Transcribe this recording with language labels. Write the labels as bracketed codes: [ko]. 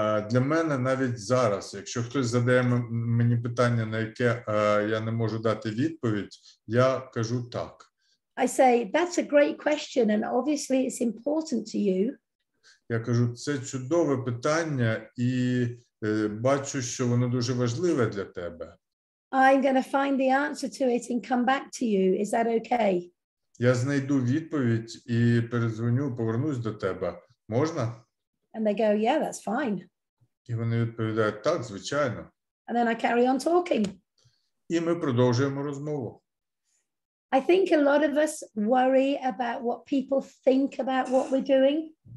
[uk] Для мене навіть зараз, якщо хтось задає мені питання, на яке я не можу дати відповідь, я кажу так. [en] I say, that's a great question, and obviously it's important to you. [uk] Я кажу, це чудове питання, і бачу, що воно дуже важливе для тебе. [en] I'm going to find the answer to it and come back to you. Is that okay? [uk] Я знайду відповідь і перезвоню, повернусь до тебе. Можна? [en] And they go, yeah, that's fine. [uk] І вони відповідають, так, звичайно. [en] And then I carry on talking. [uk] І ми продовжуємо розмову. [en] I think a lot of us worry about what people think about what we're doing.